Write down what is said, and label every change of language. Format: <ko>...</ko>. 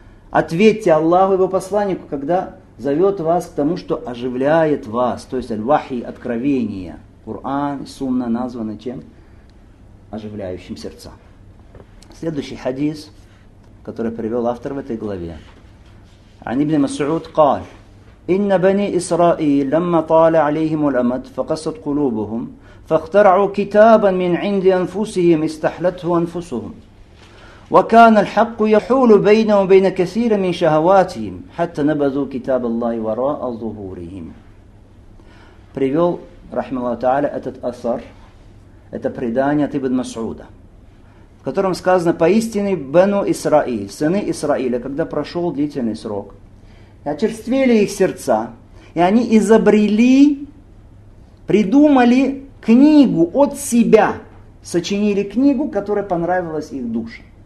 <ru>Ответьте Аллаху и его посланнику, когда зовет вас к тому, что оживляет вас. То есть аль-вахи, откровение. Коран, сунна названы чем? Оживляющим сердца. Следующий хадис, который привел автор в этой главе.</ru> <ar>«Ан ибн Мас'уд قال: إن بني إسرائيل لما طال عليهم الأمد فقست قلوبهم فاخترعوا كتابا من عند أنفسهم استحلته أنفسهم وكان الحق يحول بينهم وبين كثير من شهواتهم حتى نبذوا كتاب الله وراء ظهورهم».</ar> <ru>Привел,</ru> <ar>رحمه الله تعالى,</ar> <ru>этот أثر, это предание от Ибн Мас'уда, в котором сказано: поистине бену Исраиль, сыны Исраиля, когда прошел длительный срок, очерствели их сердца, и они изобрели, придумали книгу от себя, сочинили книгу, которая понравилась их душе.</ru>